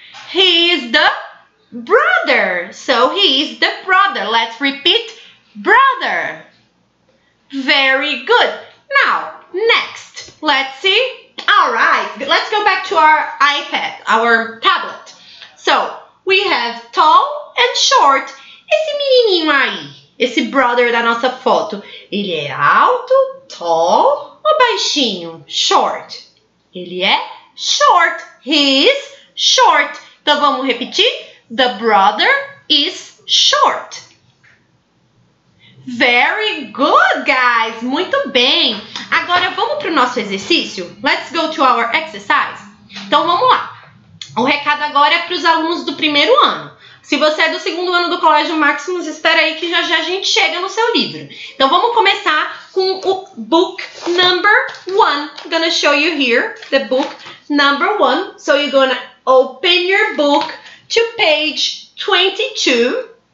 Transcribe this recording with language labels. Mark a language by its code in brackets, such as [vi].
[en] He is the brother. So, he is the brother. Let's repeat. Brother. Very good. Now, next. Let's see. All right. Let's go back to our iPad, our tablet. So, we have tall and short. [pt] Esse menininho aí, esse brother da nossa foto, ele é alto, tall ou baixinho? Short. Ele é short. [en] He is short. [pt] Então, vamos repetir. [en] The brother is short. Very good, guys. [pt] Muito bem. Agora, vamos para o nosso exercício? [en] Let's go to our exercise. [pt] Então, vamos lá. O recado agora é para os alunos do primeiro ano. Se você é do segundo ano do Colégio Maximus, espera aí que já já a gente chega no seu livro. Então, vamos começar com o book number one. [en] I'm gonna show you here the book number one. So, you're gonna open your book to page 22.